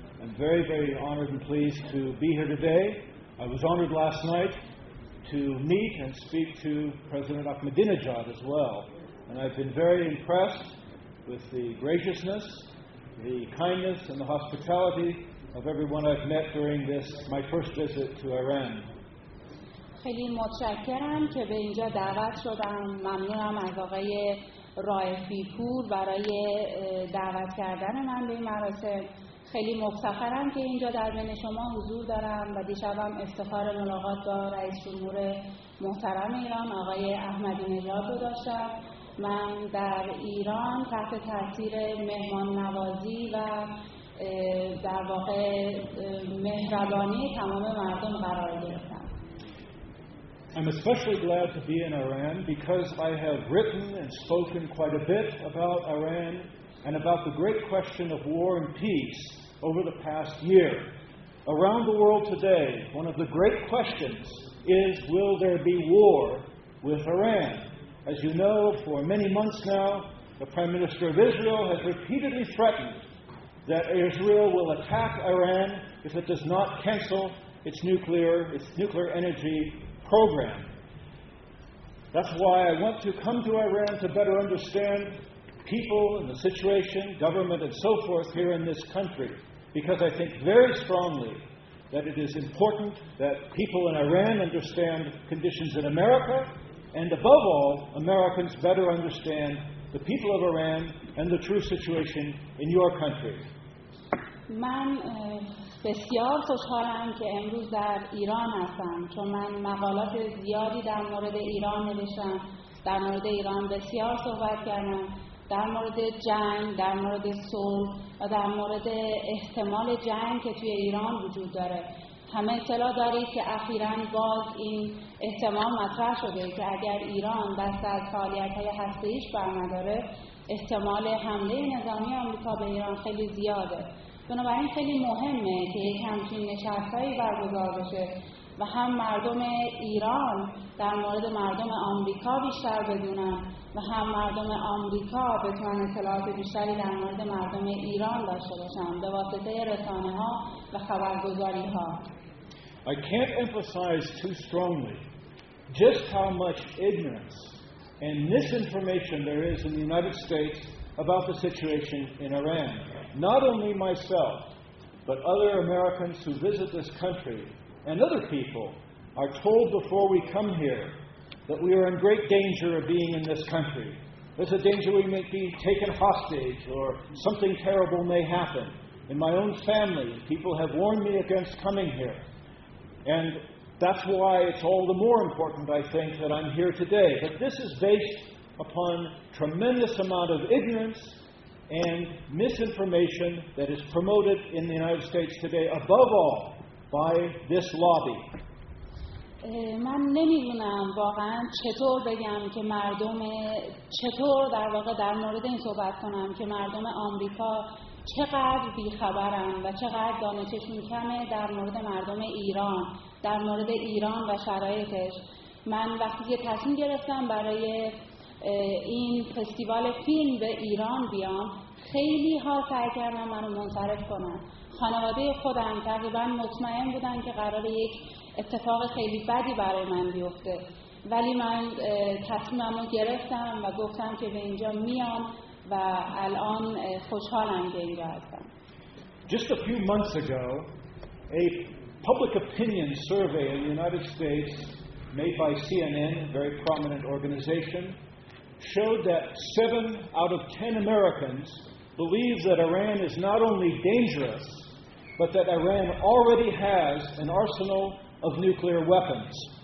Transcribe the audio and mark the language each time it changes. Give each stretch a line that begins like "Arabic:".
English: I'm very, very honored and pleased to be here today. I was honored last night to meet and speak to President Ahmadinejad as well. And I've been very impressed with the graciousness, the kindness, and the hospitality of everyone I've met during this, my first visit to Iran.
Persian: خیلی متشکرم که به اینجا دعوت شدم. ممنونم از آقای رائفی‌پور برای دعوت کردن من به این مراسم. خیلی مفتخرم که اینجا در بین شما حضور دارم و دیشبم افتخار ملاقات با رئیس جمهور محترم ایران آقای احمدی نژاد رو داشتم. من در ایران تحت تاثیر مهمان نوازی و در واقع مهربانی تمام مردم قرار گرفتم.
English: I'm especially glad to be in Iran because I have written and spoken quite a bit about Iran and about the great question of war and peace over the past year. Around the world today, one of the great questions is, will there be war with Iran? As you know, for many months now, the Prime Minister of Israel has repeatedly threatened that Israel will attack Iran if it does not cancel its nuclear energy program. That's why I want to come to Iran to better understand people and the situation, government and so forth here in this country, because I think very strongly that it is important that people in Iran understand conditions in America, and above all, Americans better understand the people of Iran and the true situation in your country.
Persian: بسیار خوشحالم که امروز در ایران هستم چون من مقالات زیادی در مورد ایران نوشتم، در مورد ایران بسیار صحبت کردم، در مورد جنگ، در مورد صلح و در مورد احتمال جنگ که توی ایران وجود داره. همه اطلاع دارید که اخیراً باز این احتمال مطرح شده که اگر ایران دست از فعالیت‌های هسته‌ایش برنداره، احتمال حمله نظامی آمریکا به ایران خیلی زیاده. بنابراین خیلی مهمه که یک همچین نشستایی برگزار بشه و هم مردم ایران در مورد مردم آمریکا بیشتر بدونن و هم مردم آمریکا بتونن اطلاعات بیشتری در مورد مردم ایران داشته باشن به واسطه رسانه‌ها و خبرگزاری‌ها.
English: I can't emphasize too strongly just how much ignorance and misinformation there is in the United States about the situation in Iran. Not only myself, but other Americans who visit this country and other people are told before we come here that we are in great danger of being in this country. There's a danger we may be taken hostage or something terrible may happen. In my own family, people have warned me against coming here. And that's why it's all the more important, I think, that I'm here today. But this is based upon tremendous amount of ignorance and misinformation that is promoted in the United States today, above all, by this lobby.
Persian: من نمی‌دونم واقعا چطور بگم که مردم چطور در واقع در مورد این صحبت کنم که مردم آمریکا چقدر بی‌خبرن و چقدر دانششون کمه در مورد مردم ایران، در مورد ایران و شرایطش. من وقتی که تصمیم گرفتم برای این فستیوال فیلم به ایران بیام، خیلی ها سعی کردن منو منصرف کنن. خانواده خودم تقریبا مطمئن بودن که قرار یک اتفاق خیلی بدی برای من بیفته، ولی من تصمیمم رو گرفتم و گفتم که به اینجا میام و الان خوشحالم که اینجا هستم.
English: Just a few months ago, a public opinion survey in the United States made by CNN, a very prominent organization, showed that 7 out of 10 Americans believe that Iran is not only dangerous, but that Iran already has an arsenal of nuclear weapons.